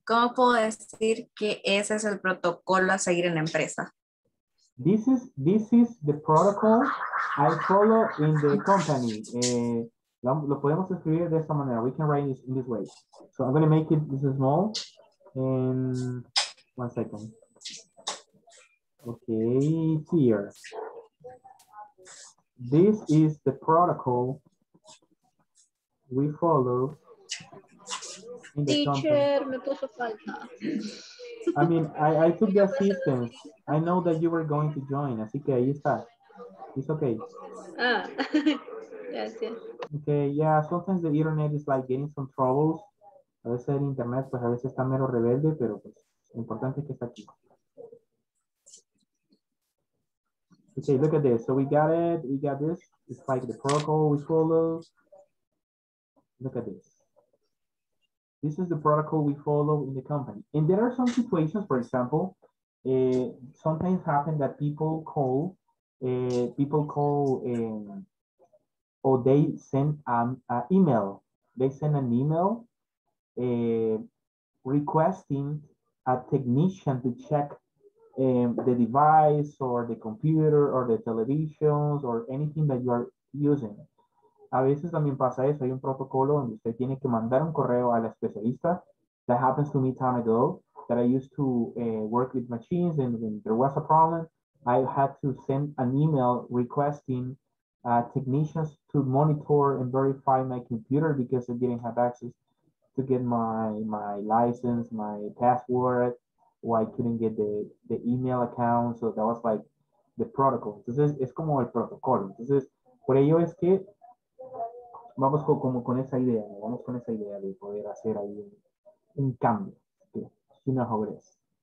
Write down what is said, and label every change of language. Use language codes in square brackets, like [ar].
[es] ¿Cómo puedo decir que ese es el protocolo a seguir en la empresa? [en] This is the protocol I follow in the company. [es] Lo podemos escribir de esta manera. [en] We can write this in this way. So I'm going to make it this small. One second. Okay, here. This is the protocol we follow. [es] Teacher, me puso falta. [en] I mean, I took the assistance. I know that you were going to join. [es] Así que ahí está. [en] It's okay. Ah, [es] gracias. [en] Okay, yeah, sometimes the internet is like getting some troubles. [es] A veces el internet, pues a veces está mero rebelde, pero pues lo importante es que está aquí. [en] Okay, look at this. So we got it. We got this. It's like the protocol we follow. Look at this. This is the protocol we follow in the company. And there are some situations, for example, sometimes happen that people call, or they send an email. They send an email requesting a technician to check the device or the computer or the televisions or anything that you are using. [es] A veces también pasa eso, hay un protocolo donde usted tiene que mandar un correo a la especialista. [en] That happens to me time ago, that I used to work with machines, and when there was a problem, I had to send an email requesting technicians to monitor and verify my computer because I didn't have access to get my license, my password, or I couldn't get the email account. So that was like the protocol. [es] Entonces, es como el protocolo. Entonces, por ello es que vamos con esa idea, ¿no? Vamos con esa idea de poder hacer ahí un cambio. ¿Sí? [en] You know how it is.